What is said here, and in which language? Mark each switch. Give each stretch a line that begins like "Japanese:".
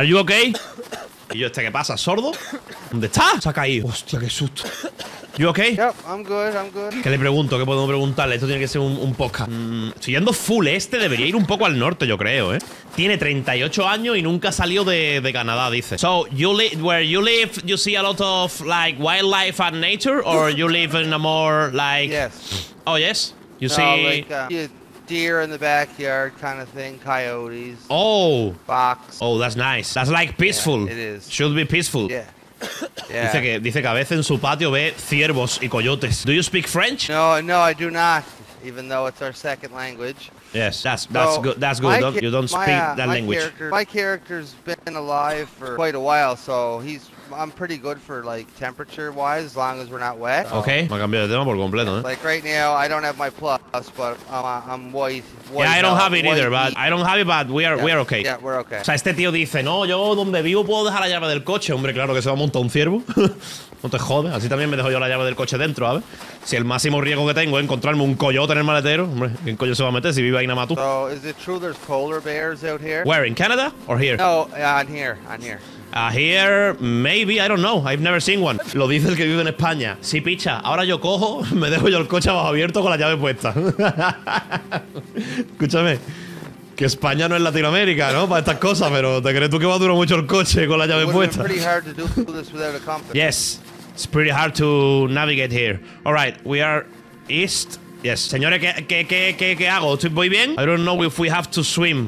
English: Are you okay?
Spanish: Y yo, ¿qué pasa? ¿Sordo? ¿Dónde está? Se ha caído. Hostia, qué susto.
English: You okay? Yep, I'm good.
Spanish: ¿Qué le pregunto? ¿Qué podemos preguntarle? Esto tiene que ser un podcast. Estoy yendo full este, debería ir un poco al norte, yo creo, ¿eh? Tiene 38 años y nunca salió de Canadá, dice.
English: So, where you live, you see a lot of, like, wildlife and nature? Or you live in a more, like... Yes. Oh, yes? You see... Deer in the backyard kind of thing, coyotes. Oh! Fox. Oh, that's nice. That's, like, peaceful. Yeah, it is. Should be peaceful. Yeah. Yeah.
Spanish: Dice que a veces en su patio ve ciervos y coyotes.
English: Do you speak French? No, I do not, even though it's our second language. Yes, that's so good. That's good. You don't speak that language. My character's been alive for quite a while, so I'm pretty good for, like, temperature-wise, as long as we're not wet. So. Okay.
Spanish: Me ha cambiado de tema por completo, ¿eh?
English: Like, right now, I don't have my plus, but I'm white. Yeah, I don't have it either, but I don't have it, but we are okay. Yeah, we're okay.
Spanish: O sea, este tío dice, no, yo donde vivo puedo dejar la llave del coche. Hombre, claro que se va a montar un ciervo. No te jodes. Así también me dejo yo la llave del coche dentro, ¿sabes? Si el máximo riesgo que tengo es encontrarme un coyote en el maletero, hombre, ¿quién coño se va a meter si vive ahí nada más tú?
English: So, is it true there's polar bears out here? Where, in Canada or here? No, on here. Here, maybe, I don't know, I've never seen one.
Spanish: Lo dice el que vive en España. Sí, picha, ahora yo cojo, me dejo yo el coche abajo abierto con la llave puesta. Escúchame, que España no es Latinoamérica, ¿no? Para estas cosas, pero ¿te crees tú que va a durar mucho el coche con la llave puesta?
English: Pretty hard to do this without a compass. Yes, it's pretty hard to navigate here. All right, we are east.
Spanish: Yes, señores, ¿qué hago? ¿Voy bien?
English: I don't know if we have to swim.